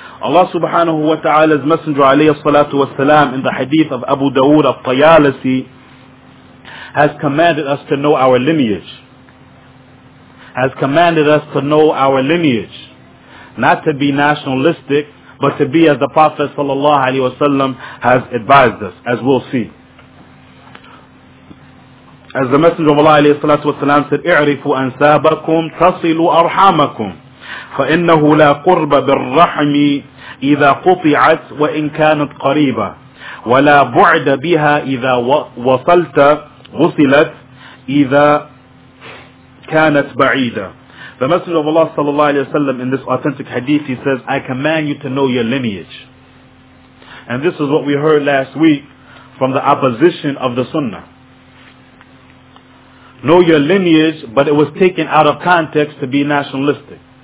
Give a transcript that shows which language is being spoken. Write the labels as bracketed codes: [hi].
[en] Allah subhanahu wa ta'ala's Messenger alayhi salatu wa salam in the hadith of Abu Dawood al-Tayalisi has commanded us to know our lineage. has commanded us to know our lineage, not to be nationalistic, but to be as the Prophet sallallahu alaihi wasallam has advised us, as we'll see. As the Messenger of Allah alayhi salatu wasalam said, [ar] اعرفوا أنسابكم تصلوا أرحامكم فإنه لا قرب بالرحم إذا قطعت وإن كانت قريبة ولا بعد بها إذا وصلت غسلت إذا كانت بعيدة. [en] The Messenger of Allah sallallahu alayhi wasalam, in this authentic hadith, he says, I command you to know your lineage. And this is what we heard last week from the opposition of the sunnah. Know your lineage, but it was taken out of context to be nationalistic.